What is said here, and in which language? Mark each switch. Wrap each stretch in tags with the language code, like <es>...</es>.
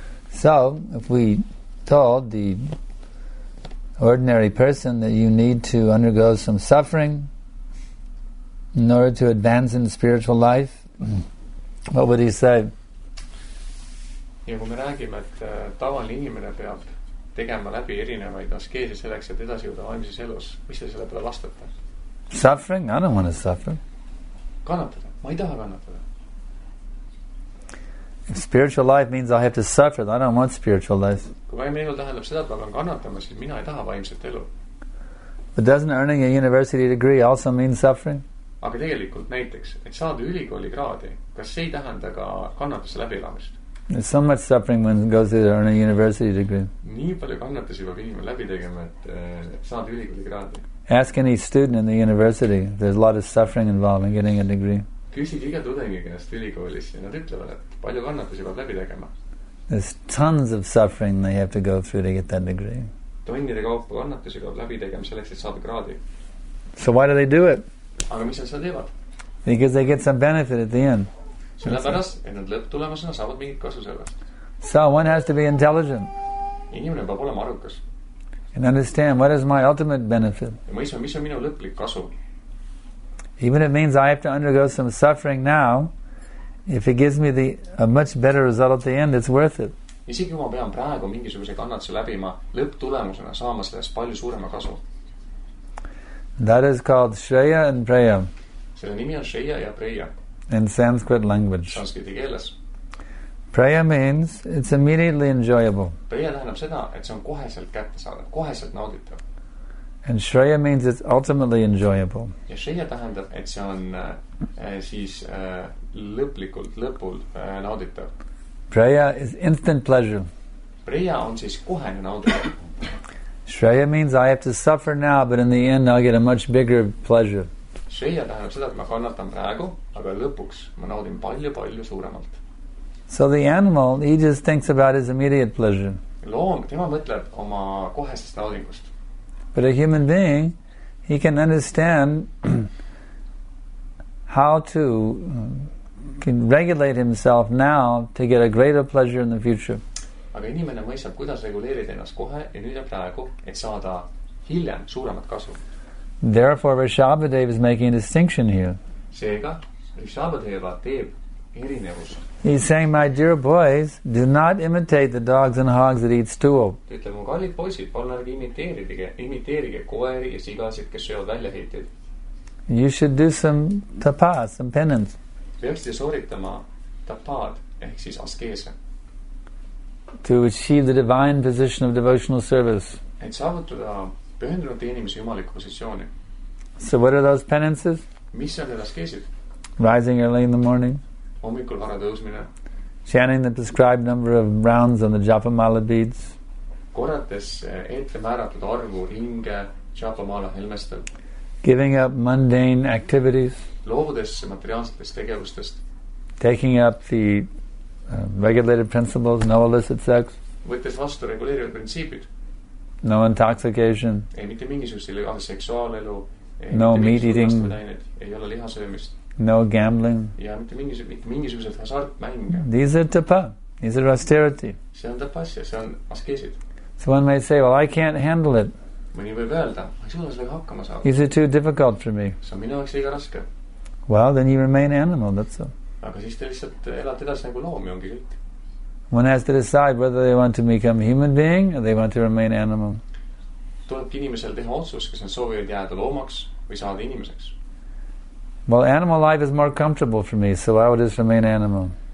<en>So, if we told the ordinary person that you need to undergo some suffering in order to advance in spiritual life, what would he say?</en> <et>Ja kui me räägime, et tavaline inimene peab tegema läbi erinevaid askeese selleks, et edasi jõuda vaimses elus, mis te selle peale vastate?</et> <en>Suffering? I don't want to suffer.</en> <et>Kannatada. Ma ei taha kannatada.</et> <en>If spiritual life means I have to suffer, I don't want spiritual life.</en> <et>Kui vaim elu tähendab seda, et ma olen kannatama, siis mina ei taha vaimset elu.</et> <en>But doesn't earning a university degree also mean suffering?</en> <et>Aga tegelikult näiteks, et saada ülikooli kraadi, kas see ei tähenda ka kannatuse läbielamist?</et> <en>There's so much suffering when it goes to earn a university degree.</en> <et>Nii palju kannatusi peab inimene läbi tegema, et saada ülikooli kraadi.</et> <en>Ask any student in the university. There's a lot of suffering involved in getting a degree.</en> <et>Küsige iga tudengi käest ülikoolis ja nad ütlevad, et palju kannatusi peab läbi tegema.</et> <en>There's tons of suffering they have to go through to get that degree.</en> <et>Tonnide kaupa kannatusi peab läbi tegema selleks, et saada kraadi.</et> <en>So why do they do it?</en> <et>Aga mis nad seda teevad?</et> <en>Because they get some benefit at the end.</en> <et>Sellepärast, et nad lõpptulemasena saavad mingit kasu sellest.</et> <en>So one has to be intelligent.</en> <et>Inimene peab olema arukas.</et> <en>And understand, what is my ultimate benefit?</en> <et>Ja ma isa, mis on minu lõplik kasu?</et> <en>Even it means I have to undergo some suffering now, if it gives me a much better result at the end, it's worth it.</en> <et>Isegi kui ma pean praegu mingisuguse kannatuse läbima, lõpptulemusena saama sellest palju suurema kasu.</et> <en>That is called Shreya and Preya.</en> <et>Selle nimi on Shreya ja Preya.</et> <en>In Sanskrit language.</en> <et>Sanskriti keeles.</et> <en>Preya means it's immediately enjoyable.</en> <et>Preya tähendab seda, et see on koheselt kättesaadav, koheselt nauditav.</et> <en>And Shreya means it's ultimately enjoyable.</en> <et>Ja Shreya tähendab, et see on siis lõplikult, lõpult nauditav.</et> <en>Shreya is instant pleasure.</en> <et>Shreya on siis kohene nauditav.</et> <en>Shreya means I have to suffer now, but in the end I'll get a much bigger pleasure.</en> <et>Shreya tähendab seda, et ma kannatan praegu, aga lõpuks ma naudin palju, palju suuremalt.</et> <en>So the animal, he just thinks about his immediate pleasure.</en> <et>Loom, tema mõtleb oma kohesest naudingust.</et> <en>But a human being, he can understand how to can regulate himself now to get a greater pleasure in the future.</en> <et>Aga inimene mõistab, kuidas reguleerida ennast kohe ja nüüd ja praegu, et saada hiljem suuremat kasu.</et> <en>Therefore, Vrishabhadeva is making a distinction here.</en> <et>Seega, Vrishabhadeva teeb erinevust.</et> <en>He's saying, my dear boys, do not imitate the dogs and hogs that eat stool.</en> <et>Ütle, mu kallid poisid, palun ärge imiteerige koeri ja sigasid, kes sööd välja heitid.</et> <en>You should do some tapas, some penance.</en> <et>Peaksid sooritama tapad, ehk siis askeese.</et> <en>To achieve the divine position of devotional service.</en> <et>Et saavutada pühendunud inimese jumaliku positsiooni.</et> <en>So what are those penances?</en> <et>Mis on need askeesid?</et> <en>Rising early in the morning.</en> <et>Hommikul vara tõusmine.</et> <en>Chanting the prescribed number of rounds on the Japa Mala beads.</en> <et>Korrates ette määratud arvu ringe Japa Mala helmestel.</et> <en>Giving up mundane activities.</en> <et>Loobudes materiaalsetest tegevustest.</et> <en>Taking up the regulated principles, no illicit sex.</en> <et>Võttes vastu reguleerivad printsiibid.</et> <en>No intoxication.</en> <et>Ei mitte mingisugust illegaalse seksuaalelu.</et> <en>No meat eating.</en> <et>Ei ole lihasöömist.</et> <en>No gambling.</en> <et>Ja mitte mingisugused hasart mänge.</et> <en>These are tapa. These are austerity.</en> <et>See on tapas ja see on askeesid.</et> <en>So one may say, well, I can't handle it.</en> <et>Mõni võib öelda, ma ei suuda sellega hakkama saada.</et> <en>Is it too difficult for me?</en> <et>See on minu jaoks liiga raske.</et> <en>Well, then you remain animal, that's all.</en> <et>Aga siis te lihtsalt elate edasi nagu loomi ongi kõik.</et> <en>One has to decide whether they want to become a human being or they want to remain animal.</en> <et>Tulebki inimesel teha otsus, kas nad soovivad jääda loomaks või saada inimeseks.</et> <en>Well, animal life is more comfortable for me, so I would just remain animal.</en>